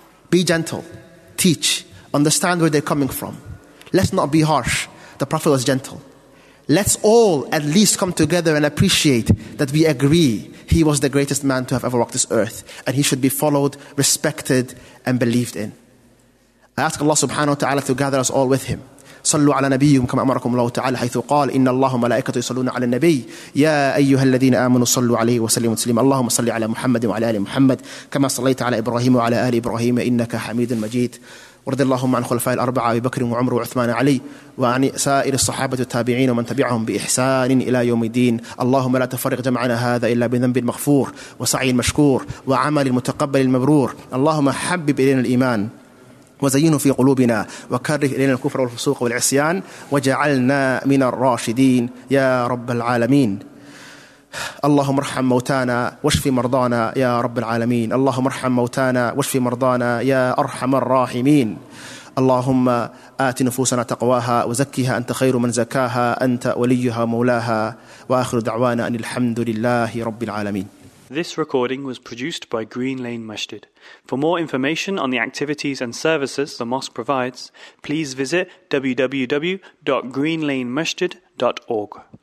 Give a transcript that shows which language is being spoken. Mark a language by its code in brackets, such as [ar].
[en] Be gentle. Teach. Understand where they're coming from. Let's not be harsh. The Prophet was gentle. Let's all at least come together and appreciate that we agree he was the greatest man to have ever walked this earth, and he should be followed, respected, and believed in. I ask Allah subhanahu wa ta'ala to gather us all with him. [ar] صلوا على نبيكم كما أمركم الله تعالى حيث قال إن الله ملائكته يصلون على النبي يا أيها الذين آمنوا صلوا عليه وسلموا تسليما اللهم صل على محمد وعلى آل محمد كما صليت على إبراهيم وعلى آل إبراهيم إنك حميد مجيد. ورضي اللهم عن الخلفاء الأربعة أبي بكر وعمر وعثمان علي وعن سائر الصحابة والتابعين ومن تبعهم بإحسان إلى يوم الدين. اللهم لا تفرق جمعنا هذا إلا بذنب مغفور وسعي مشكور وعمل متقبل المبرور. اللهم حبب إلينا الإيمان وزينه في قلوبنا وكره إلينا الكفر والفسوق والعصيان وجعلنا من الراشدين يا رب العالمين. اللهم ارحم موتانا واشف مرضانا يا رب العالمين. اللهم ارحم موتانا واشف مرضانا يا أرحم الراحمين. اللهم آت نفوسنا تقواها وزكها أنت خير من زكاها أنت وليها مولاها. وآخر دعوانا أن الحمد لله رب العالمين. [en] This recording was produced by Green Lane Masjid. For more information on the activities and services the mosque provides, please visit www.greenlanemasjid.org.